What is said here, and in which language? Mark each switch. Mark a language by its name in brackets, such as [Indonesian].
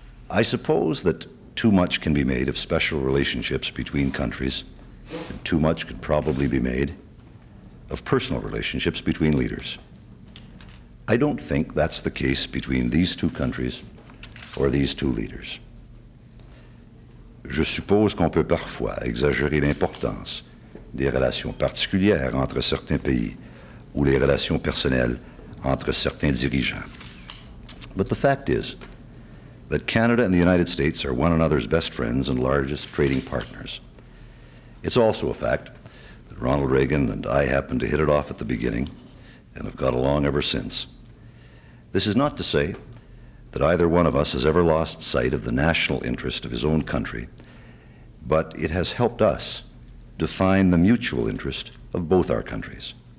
[English] I suppose that too much can be made of special relationships between countries, and too much could probably be made of personal relationships between leaders. I don't think that's the case between these two countries or these two leaders. [French] Je suppose qu'on peut parfois exagérer l'importance des relations particulières entre certains pays ou les relations personnelles entre certains dirigeants. [English] But the fact is that Canada and the United States are one another's best friends and largest trading partners. It's also a fact that Ronald Reagan and I happened to hit it off at the beginning and have got along ever since. This is not to say that either one of us has ever lost sight of the national interest of his own country, but it has helped us define the mutual interest of both our countries.